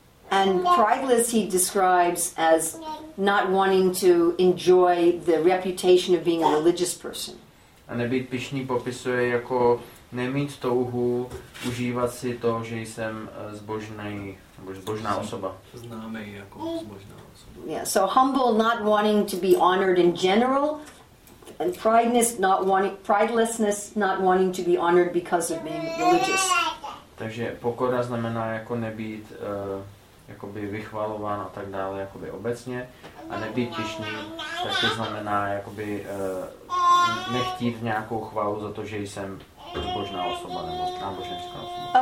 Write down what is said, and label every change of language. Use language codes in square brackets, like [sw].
[en] And prideless he describes as not wanting to enjoy the reputation of being a religious person. [cs] A nebýt pyšný popisuje jako nemít touhu užívat si to, že jsem zbožný nebo zbožná osoba. Známej jako zbožná osoba. [en] Yeah, so humble not wanting to be honored in general and pridelessness not wanting to be honored because of being religious. [cs] Takže pokora znamená jako nebýt jakoby vychvalován a tak dále, jakoby obecně, a nebýt pyšný, tak to znamená jakoby nechtít nějakou chválu za to, že jsem zbožná osoba nebo náboženská osoba.